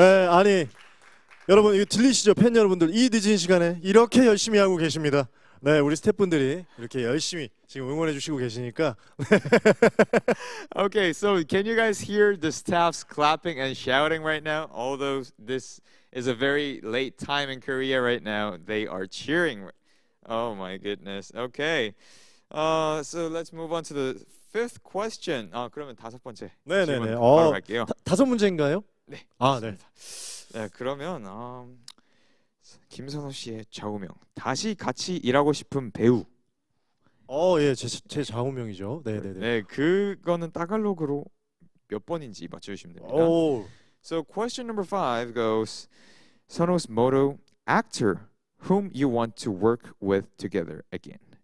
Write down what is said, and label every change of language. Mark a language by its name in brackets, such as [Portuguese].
[Korean] 여러분, 아니 여러분 이거 들리시죠? 팬 여러분들 이 늦은 시간에 이렇게 열심히 하고 계십니다. 네, 우리 스태프분들이 이렇게 열심히 지금 응원해 주시고 계시니까. [English] Okay, so can you guys hear the staffs clapping and shouting right now? Although this is a very late time in Korea right now, they are cheering. Oh my goodness. Okay. So let's move on to the fifth question. [Korean] 아, 그러면 다섯 번째. 네, 네, 네. 다섯 문제인가요? 네. 아, 네. 네, 그러면 김선호 씨의 좌우명. 다시 같이 일하고 싶은 배우. 예, 제 좌우명이죠. 네, 네, 네. 네, 그거는 따갈로그로 몇 번인지 맞춰주시면 됩니다. [English] So question number five goes, Sonho's motto, actor whom you want to work with together again.